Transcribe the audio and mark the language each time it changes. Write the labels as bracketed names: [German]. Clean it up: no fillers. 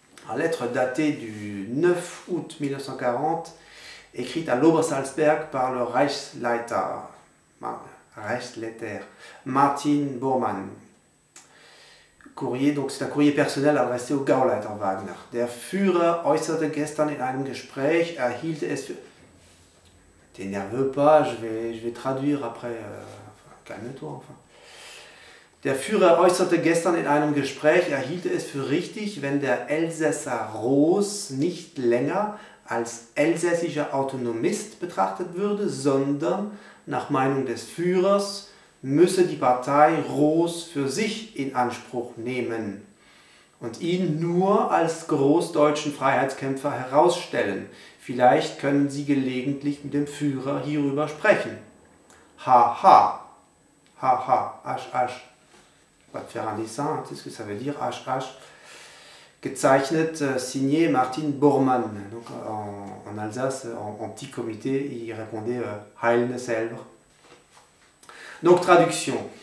[French] La lettre datée du 9 août 1940, écrite à l'Obersalzberg par le Reichsleiter Martin Bormann. C'est un courrier personnel adressé au Gauleiter Wagner. [German] Der Führer äußerte gestern in einem Gespräch, erhielt es für... [French] T'énerveux pas, je vais traduire après. Calme-toi, enfin. [German] Der Führer äußerte gestern in einem Gespräch, hielt es für richtig, wenn der Elsässer Ross nicht länger als elsässischer Autonomist betrachtet würde, sondern nach Meinung des Führers müsse die Partei Ross für sich in Anspruch nehmen und ihn nur als großdeutschen Freiheitskämpfer herausstellen. Vielleicht können Sie gelegentlich mit dem Führer hierüber sprechen. Ha ha. Ha ha. H h. [French] Ich vais te faire un dessin, tu sais ce que ça veut dire, h h. Gezeichnet, signé Martin Bormann. Donc en Alsace, en petit comité, il répondait Heilne selber. Donc traduction.